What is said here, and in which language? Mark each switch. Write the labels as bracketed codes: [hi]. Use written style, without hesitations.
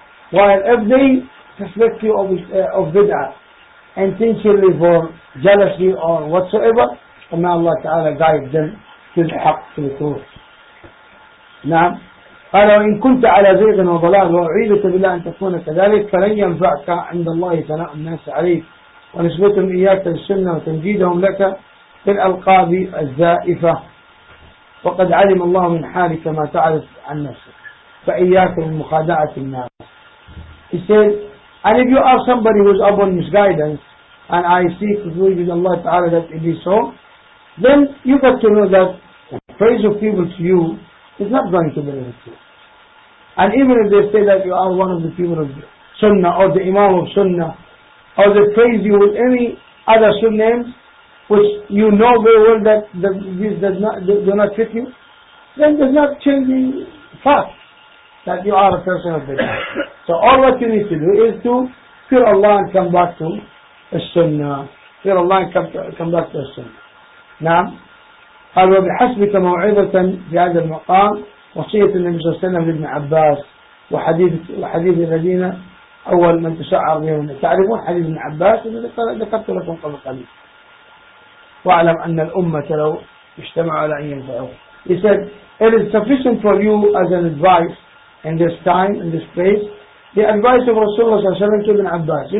[en] While if they suspect you of Bid'ah intentionally for jealousy or whatsoever, and may Allah Ta'ala guide them to the haqq, to the truth. [ar] نعم. قال وإن كنت على زيغ وضلال وأعيدك بالله أن تكون كذلك فلن ينفعك عند الله ثناء الناس عليك ونسبتهم إياك للسنة وتمجيدهم لك في الألقاب الزائفة وقد علم الله من حالك ما تعرف عن نفسك فإياك من مخادعة الناس. [en] He said, and if you are somebody who is up on misguidance, and I seek to do with Allah Ta'ala that it is so, then you got to know that the praise of people to you is not going to benefit you. And even if they say that you are one of the people of Sunnah, or the Imam of Sunnah, or they praise you with any other surnames, which you know very well that these do not fit you, then does not change the fact that you are a person of bid'ah. So all what you need to do is to fear Allah and come back to Sunnah. Fear Allah and come back to Sunnah. [ar] نعم. قال وبحسبك موعظة في هذا المقام وصية النبي صلى الله عليه وسلم لابن عباس وحديث الذين أول من تشعر به. تعرفون حديث ابن عباس الذي ذكرت لكم قبل قليل. واعلم أن الأمة لو اجتمعوا على أن ينفعوا. [en] He said, it is sufficient for you as an advice in this time, in this place, the advice of Rasulullah صلى الله عليه وسلم to ابن عباس.